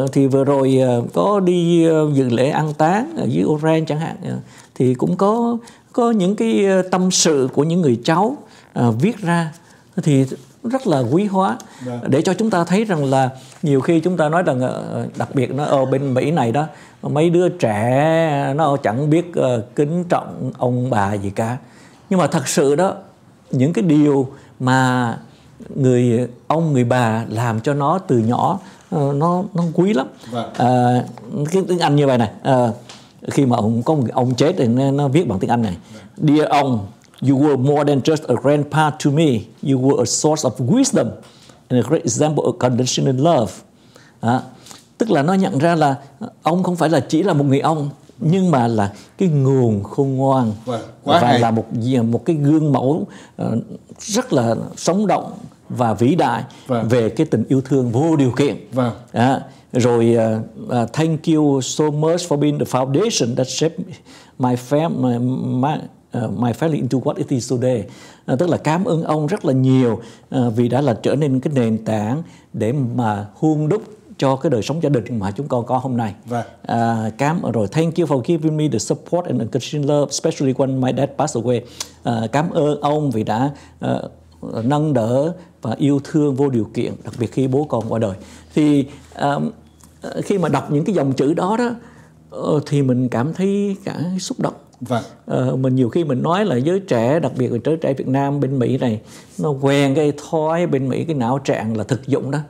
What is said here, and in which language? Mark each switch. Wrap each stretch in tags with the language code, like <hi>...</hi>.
<vi>Vừa rồi có đi dự lễ ăn táng ở dưới Oren chẳng hạn, thì cũng có những cái tâm sự của những người cháu viết ra thì rất là quý hóa, để cho chúng ta thấy rằng là nhiều khi chúng ta nói rằng đặc biệt nó ở bên Mỹ này đó, mấy đứa trẻ nó chẳng biết kính trọng ông bà gì cả. Nhưng mà thật sự đó, những cái điều mà người ông người bà làm cho nó từ nhỏ nó quý lắm. Tiếng Anh như vậy này, khi mà có một ông chết thì nó viết bằng tiếng Anh này.</vi> <en>Dear ông, you were more than just a grandpa to me. You were a source of wisdom and a great example of conditioned love.</en> <vi>Tức là nó nhận ra là ông không phải là chỉ là một người ông, nhưng mà là cái nguồn khôn ngoan và là một cái gương mẫu rất là sống động và vĩ đại về cái tình yêu thương vô điều kiện.</vi> <en>Thank you so much for being the foundation that shaped my family, my family into what it is today.</en> <vi>Tức là cảm ơn ông rất là nhiều vì đã là trở nên cái nền tảng để mà hun đúc cho cái đời sống gia đình mà chúng con có hôm nay.</vi> <en>Thank you for giving me the support and unconditional love, especially when my dad passed away.</en> <vi>Cảm ơn ông vì đã nâng đỡ và yêu thương vô điều kiện, đặc biệt khi bố con qua đời. Thì khi mà đọc những cái dòng chữ đó thì mình cảm thấy cả xúc động. Mình nhiều khi mình nói là giới trẻ, đặc biệt là giới trẻ Việt Nam bên Mỹ này, nó quen cái thói bên Mỹ cái não trạng là thực dụng đó.</vi>